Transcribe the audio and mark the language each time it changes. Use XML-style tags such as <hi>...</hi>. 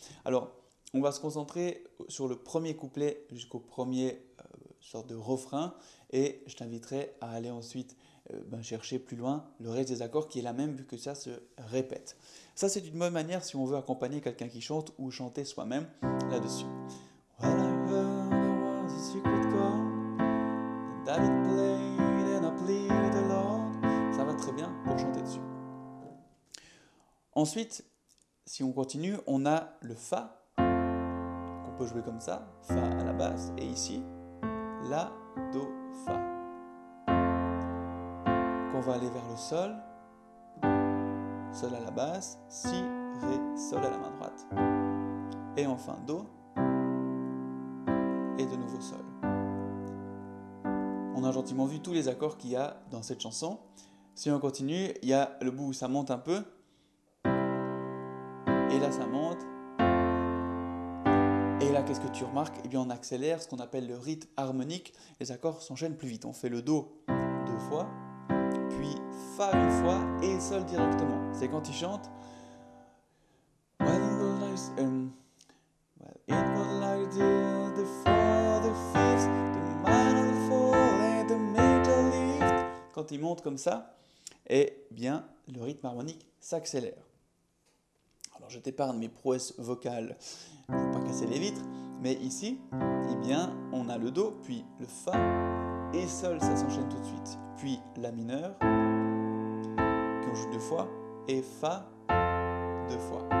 <fr>Alors, on va se concentrer sur le premier couplet jusqu'au premier sorte de refrain et je t'inviterai à aller ensuite chercher plus loin le reste des accords qui est la même vu que ça se répète. Ça, c'est une bonne manière si on veut accompagner quelqu'un qui chante ou chanter soi-même là-dessus.</fr> <en>Well, I heard there was a secret chord that David played and I pleaded the Lord.</en> <fr>Ça va très bien pour chanter dessus. Ensuite, si on continue, on a le Fa, qu'on peut jouer comme ça, Fa à la basse, et ici, La, Do, Fa. Qu'on va aller vers le Sol, Sol à la basse, Si, Ré, Sol à la main droite. Et enfin Do, et de nouveau Sol. On a gentiment vu tous les accords qu'il y a dans cette chanson. Si on continue, il y a le bout où ça monte un peu. Et là, ça monte. Et là, qu'est-ce que tu remarques? Eh bien, on accélère ce qu'on appelle le rythme harmonique. Les accords s'enchaînent plus vite. On fait le Do deux fois, puis Fa une fois et Sol directement. C'est quand il chante.</fr> <en>Well, it was like, it was like the four, the fifth, the minor four and the major lift.</en> <fr>Quand il monte comme ça, eh bien, le rythme harmonique s'accélère. Alors, je t'épargne mes prouesses vocales, je ne veux pas casser les vitres, mais ici, eh bien, on a le Do, puis le Fa, et Sol, ça s'enchaîne tout de suite. Puis La mineur, qu'on joue deux fois, et Fa, deux fois.</fr>